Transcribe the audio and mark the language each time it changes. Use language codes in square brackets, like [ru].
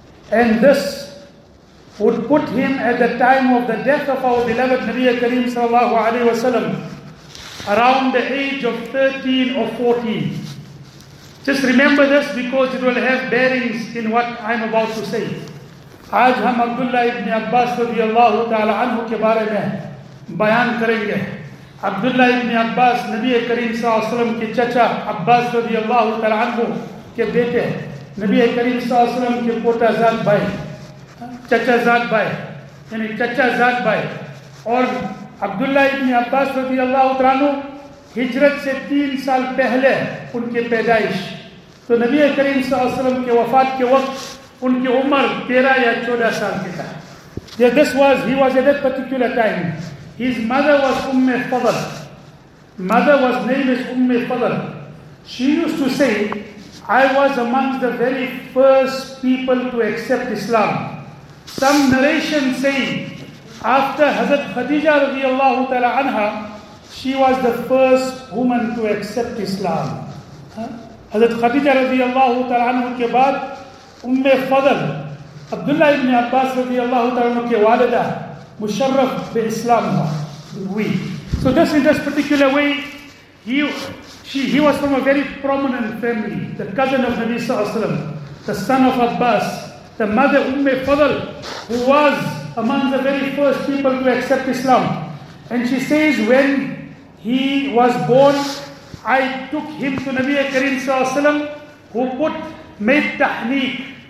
[en] And this would put him at the time of the death of our beloved Nabi Kareem sallallahu alayhi wa sallam around the age of 13 or 14. Just remember this because it will have bearings in what I'm about to say. [ur] آج ہم عبداللہ ابن عباس رضی اللہ تعالی عنہ کے بارے میں بیان کریں گے. عبداللہ ابن عباس نبی کریم صلی اللہ علیہ وسلم کے چچا عباس رضی اللہ تعالی عنہ کے بیٹے، نبی کریم صلی اللہ علیہ وسلم کے پوتا ذات بھائی، چچا ذات بھائی، یعنی چچا ذات بھائی. اور عبداللہ ابن عباس رضی اللہ تعالی عنہ ہجرت سے 3 سال پہلے ان کی پیدائش، تو نبی کریم صلی اللہ علیہ وسلم کے وفات کے وقت ان کی عمر 13 یا 14 سال کی تھا. [en] he was at that particular time. His mother was Umm Fadl. Mother was name is Umm Fadl. She used to say, I was amongst the very first people to accept Islam. Some narration say, after Hazrat Khadija رضی اللہ تعالی عنہ, she was the first woman to accept Islam. [ur] Hazrat Khadija رضی اللہ تعالی عنہ کے بعد ام فضل عبداللہ ابن عباس رضی اللہ تعالیٰ عنہ کے والدہ مشرف بے اسلام ہوا. [en] So this in this particular way, he was from a very prominent family, the cousin of Nabi صلی اللہ علیہ وسلم, the son of Abbas, the mother Umm Fadl, who was among the very first people to accept Islam. And she says, when he was born, I took him to Nabi کریم صلی اللہ علیہ وسلم, who put made tahniq.